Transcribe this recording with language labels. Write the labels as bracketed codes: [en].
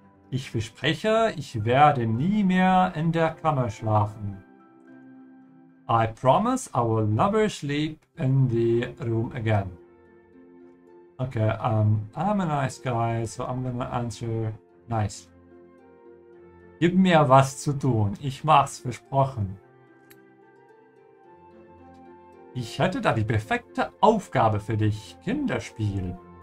[de] Ich verspreche, ich werde nie mehr in der Kammer schlafen. [en] I promise I will never sleep in the room again. Okay, I'm a nice guy, so I'm gonna answer nice. [de] Gib mir was zu tun, ich mach's, versprochen. Ich hätte da die perfekte Aufgabe für dich, Kinderspiel.